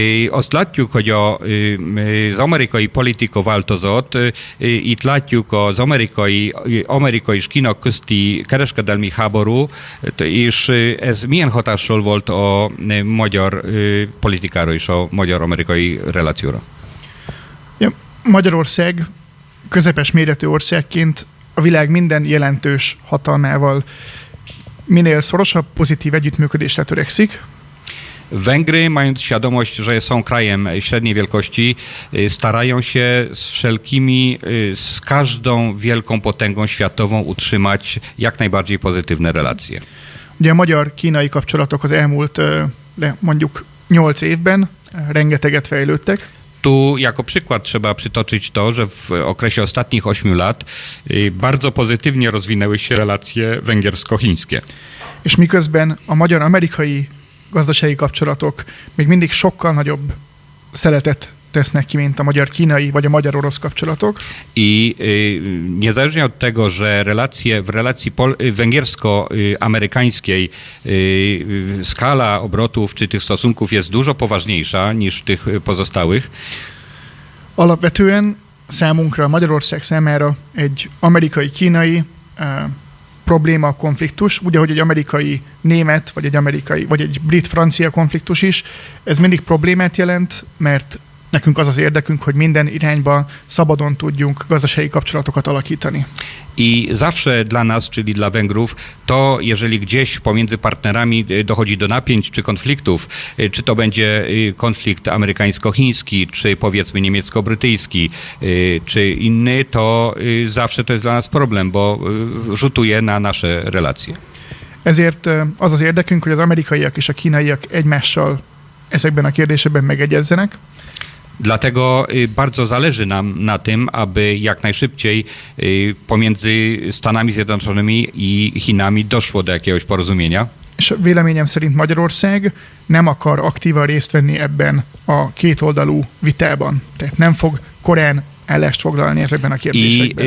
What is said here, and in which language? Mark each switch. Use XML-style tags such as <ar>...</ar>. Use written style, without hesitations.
<hu>Ostatnio chodzi o z Ameryką i polityką Waltozot i tlatniuko z Ameryką i Chino kusti kereszka dalmi haboru, to iż es mien hotaszol volt o magyar politikáro iż o magyar-amerikai relacjóra. Magyarország közepes méretű országként a világ minden jelentős hatalmával minél szorosabb pozitív együttműködésre törekszik.</hu> <pl>Węgry, mając świadomość, że są krajem średniej wielkości, starają się z każdą wielką potęgą światową utrzymać jak najbardziej pozytywne relacje.</pl> <hu>Ugye a magyar-kínai kapcsolatok az elmúlt mondjuk 8 évben rengeteget fejlődtek.</hu> <pl>Tu jako przykład trzeba przytoczyć to, że w okresie ostatnich 8 lat bardzo pozytywnie rozwinęły się relacje węgiersko-chińskie.</pl> <hu>És miközben a magyar-amerikai gazdasági kapcsolatok még mindig sokkal nagyobb szeletet tesznek ki, mint a magyar-kínai vagy a magyar-orosz kapcsolatok.</hu> <pl>I niezależnie od tego, że relacje w relacji węgiersko-amerykańskiej skala obrotów czy tych stosunków jest dużo poważniejsza niż tych pozostałych.</pl> <hu>Alapvetően számunkra, Magyarország számára egy amerikai-kínai probléma a konfliktus, ugye, hogy egy amerikai-német, vagy egy amerikai, vagy egy brit-francia konfliktus is, ez mindig problémát jelent, mert nekünk az az érdekünk, hogy minden irányba szabadon tudjunk gazdasági kapcsolatokat alakítani.</hu> <pl>I zawsze dla nas, czyli dla Węgrów, to jeżeli gdzieś pomiędzy partnerami dochodzi do napięć czy konfliktów, czy to będzie konflikt amerykańsko-chiński, czy powiedzmy niemiecko-brytyjski, czy inny, to zawsze to jest dla nas problem, bo rzutuje na nasze relacje.</pl> <hu>Ezért az az érdekünk, hogy az amerikaiak és a kínaiak egymással ezekben a kérdésekben megegyezzenek.</hu> <pl>Dlatego bardzo zależy nam na tym, aby jak najszybciej pomiędzy Stanami Zjednoczonymi i Chinami doszło do jakiegoś porozumienia.</pl> <hu>És véleményem szerint Magyarország nem akar aktívan részt venni ebben a kétoldalú vitában. Tehát nem fog korán ellest foglalni ezekben a kérdésekben.</hu>